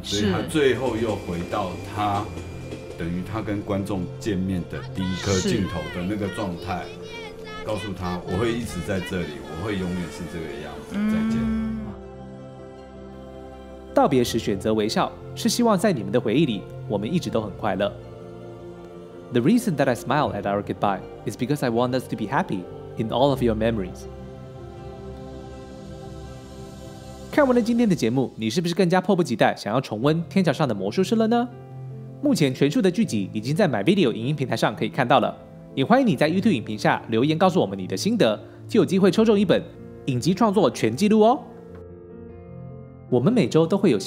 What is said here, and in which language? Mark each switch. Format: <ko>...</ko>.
<zh>所以他最后又回到他等于他跟观众见面的第一颗镜头的那个状态，告诉他我会一直在这里，我会永远是这个样子，再见。道别时选择微笑，是希望在你们的回忆里我们一直都很快乐。</zh> <en>The reason that I smile at our goodbye is because I want us to be happy in all of your memories.</en> <zh>看完了今天的节目，你是不是更加迫不及待想要重温《天桥上的魔术师》了呢？目前全数的剧集已经在 MyVideo 影音平台上可以看到了，也欢迎你在 YouTube 影评下留言告诉我们你的心得，就有机会抽中一本影集创作全记录哦。我们每周都会有新内容上线，除了 YouTube 之外，现在也推出了 Podcast。</zh>